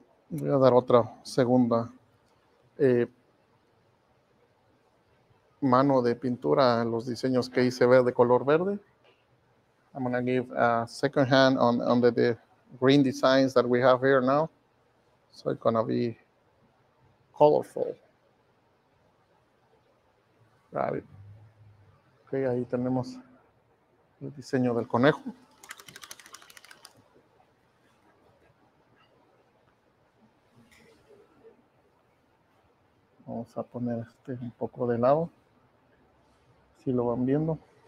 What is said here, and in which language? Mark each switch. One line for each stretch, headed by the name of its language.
Spanish: Voy a dar otra segunda mano de pintura a los diseños que hice verde, color verde.
English: I'm going to give a second hand on the green designs that we have here now. So it's going to be colorful. Got it.
Spanish: Ok, ahí tenemos el diseño del conejo. Vamos a poner este un poco de lado, si lo van viendo.